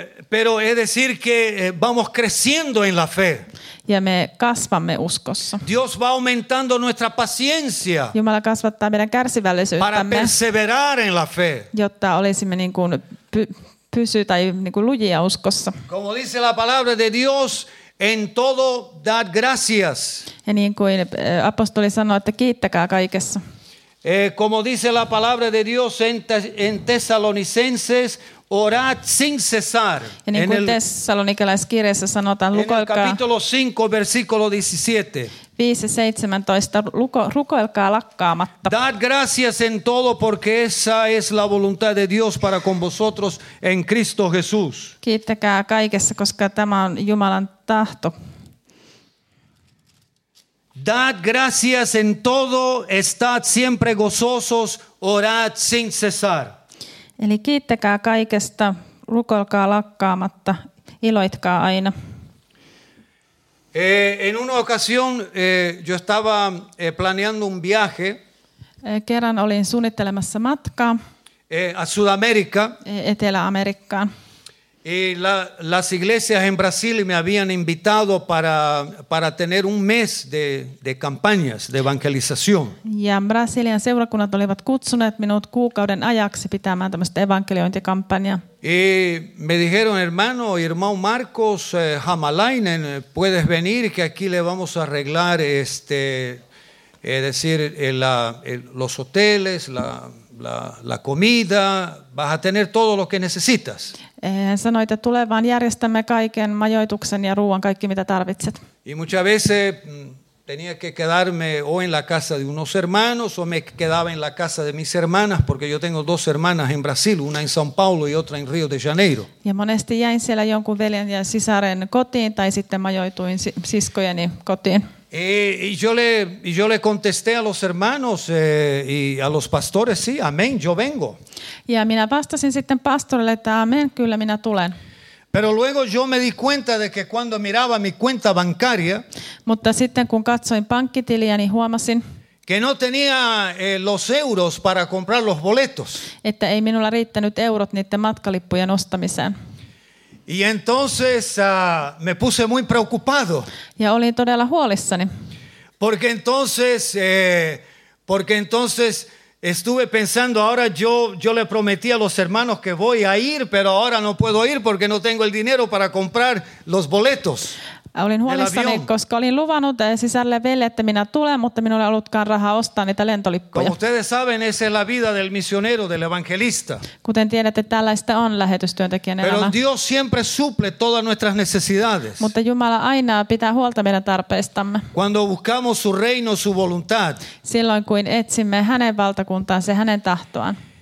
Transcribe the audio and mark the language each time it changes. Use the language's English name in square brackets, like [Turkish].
[Spanish] Pero es decir que vamos creciendo en la fe. [Finnish] Ja me kasvamme uskossa. [Spanish] Dios va aumentando nuestra paciencia. [Finnish] Jumala kasvattaa meidän kärsivällisyyttämme. [Spanish] Para perseverar en la fe. [Finnish] Jotta olisimme niin kuin pysy tai niin kuin lujia uskossa. [Spanish] Como dice la palabra de Dios, en todo dad gracias. [Finnish] Ja niin kuin apostoli sanoi, että kiittäkää kaikessa. [Spanish] Como dice la palabra de Dios en Tesalonicenses, orad sin cesar. [Finnish] Ja niin kuin tessalonikalaiskirjassa sanotaan, lukoilkaa. [Spanish] En el capítulo 5, versículo 17. [Finnish] 5:17, rukoilkaa lakkaamatta. [Spanish] Dad gracias en todo porque esa es la voluntad de Dios para con vosotros en Cristo Jesús. [Finnish] Kiittäkää kaikessa, koska tämä on Jumalan tahto. [Spanish] Dad gracias en todo, estad siempre gozosos, orad sin cesar. [Finnish] Eli kiittäkää kaikesta, rukoilkaa lakkaamatta, iloitkaa aina. [Spanish] En una ocasión yo estaba planeando un viaje. [Finnish] Kerran olin suunnittelemassa matkaa. [Spanish] A Sudamérica. [Finnish] Etelä-Amerikkaan. [Spanish] Y las iglesias en Brasil me habían invitado para tener un mes de campañas de evangelización. [Finnish] Ja Brasilian seurakunnat olivat kutsuneet minut kuukauden ajaksi pitämään tämmöistä evankeliointikampanjaa. [Spanish] Y me dijeron, hermano, irmão Marcos Hamalainen, puedes venir que aquí le vamos a arreglar los hoteles, la comida, vas a tener todo lo que necesitas. [Finnish] Hän sanoi, että tule vaan järjestämme kaiken majoituksen ja ruoan, kaikki mitä tarvitset. [Spanish] Y muchas veces tenía que quedarme o en la casa de unos hermanos o me quedaba en la casa de mis hermanas porque yo tengo dos hermanas en Brasil, una en São Paulo y otra en Rio de Janeiro. [Finnish] Ja monesti jäin siellä jonkun veljen ja sisaren kotiin tai sitten majoituin siskojeni kotiin. [Spanish] Y yo le contesté a los hermanos y a los pastores, sí, amén, yo vengo. [Finnish] Ja minä vastasin sitten pastorille, että amén, kyllä minä tulen. [Spanish] Pero luego yo me di cuenta de que cuando miraba mi cuenta bancaria, [Finnish] mutta sitten kun katsoin pankkitiliäni, niin huomasin, [Spanish] que no tenía los euros para comprar los boletos. [Finnish] Että ei minulla riittänyt eurot niiden matkalippujen ostamiseen. [Spanish] Y entonces me puse muy preocupado. [Finnish] Ja olin todella huolissani. [Spanish] Porque entonces estuve pensando, ahora yo le prometí a los hermanos que voy a ir, pero ahora no puedo ir porque no tengo el dinero para comprar los boletos. [Finnish] Olin huolissani, koska olin luvannut sisälle veljelle, että minä tulen, mutta minulla ei ollutkaan rahaa ostaa niitä lentolippuja. [Spanish] Como ustedes saben, esa es la vida del misionero, del evangelista. [Finnish] Kuten tiedätte, tällaista on lähetystyöntekijän [Spanish] Pero [Finnish] elämä. [Spanish] Dios siempre suple todas nuestras necesidades. [Finnish] Mutta Jumala aina pitää huolta meidän tarpeistamme. [Spanish] Cuando buscamos su reino, su voluntad. [Finnish] Silloin kun etsimme hänen valtakuntaansa, hänen tahtoaan.